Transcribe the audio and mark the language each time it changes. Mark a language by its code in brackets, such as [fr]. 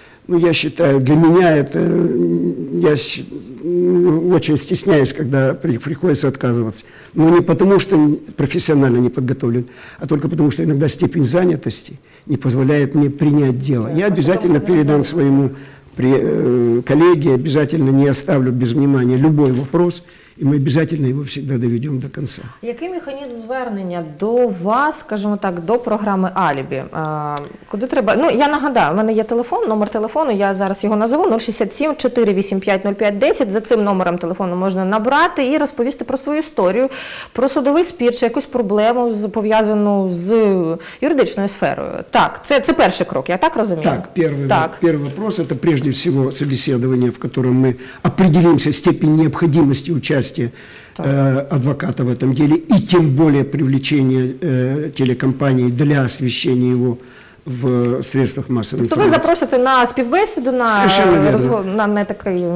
[ru] Ну, я считаю, для меня это, я очень стесняюсь, когда приходится отказываться. Но не потому, что профессионально не подготовлен, а только потому, что иногда степень занятости не позволяет мне принять дело. Я обязательно передам своему коллеге, обязательно не оставлю без внимания любой вопрос. [uk] І ми обов'язково його завжди доведемо до кінця. Який механізм звернення до вас, скажімо так, до програми «Алібі»? Куди треба? Ну, я нагадаю, у мене є телефон, номер телефону, я зараз його назову, 067-485-0510. За цим номером телефону можна набрати і розповісти про свою історію, про судовий спір чи якусь проблему, пов'язану з юридичною сферою. Так, це перший крок, я так розумію? Так, перший питання – це, [ru] прежде всего, [uk] собеседування, в якому ми определимося степінь необхідності участі [ru] адвоката в этом деле, и тем более привлечение телекомпании для освещения его в средствах массовой информации. То вы запросите [uk] на співбесіду, на такий...